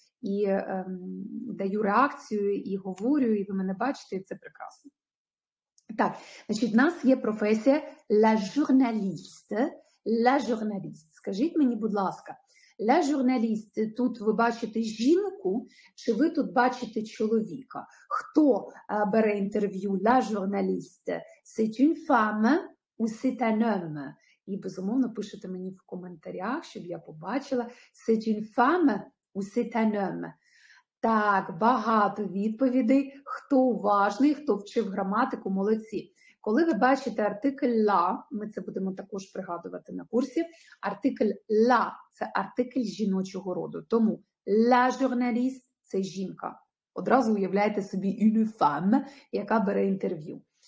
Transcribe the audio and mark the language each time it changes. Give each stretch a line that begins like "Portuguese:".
Ukrainian: І даю реакцію, і говорю, і ви мене бачите, і це прекрасно. Так, значить, в нас є професія la journaliste. La journaliste. Скажіть мені, будь ласка, Для журналісти тут ви бачите жінку, чи ви тут бачите чоловіка? Хто бере інтерв'ю? Для журналісти?
French: C'est une femme ou c'est un homme?
Ukrainian: І, безумовно, пишете мені в коментарях, щоб я побачила.
French: C'est une femme ou c'est un homme?
Ukrainian: Так, багато відповідей. Хто уважний, хто вчив граматику, молодці. Коли ви бачите артикль «la», ми це будемо також пригадувати на курсі, артикль «la» – це артикль жіночого роду. Тому «la journaliste» – це жінка. Одразу уявляєте собі
French: «une femme»,
Ukrainian: яка бере інтерв'ю.